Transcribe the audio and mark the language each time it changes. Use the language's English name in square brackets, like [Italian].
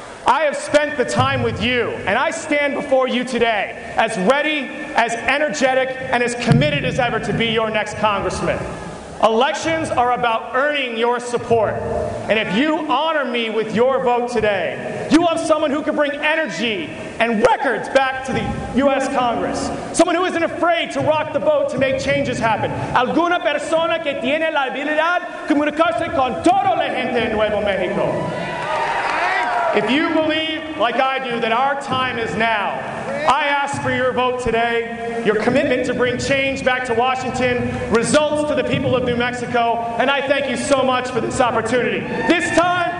[English] I have spent the time with you, and I stand before you today as ready, as energetic, and as committed as ever to be your next congressman. Elections are about earning your support. And if you honor me with your vote today, you have someone who can bring energy and records back to the U.S. Congress. Someone who isn't afraid to rock the boat to make changes happen. [Spanish] Alguna persona que tiene la habilidad comunicarse con toda la gente en Nuevo México. [English] If you believe, like I do, that our time is now, I ask for your vote today, your commitment to bring change back to Washington, results to the people of New Mexico, and I thank you so much for this opportunity. This time,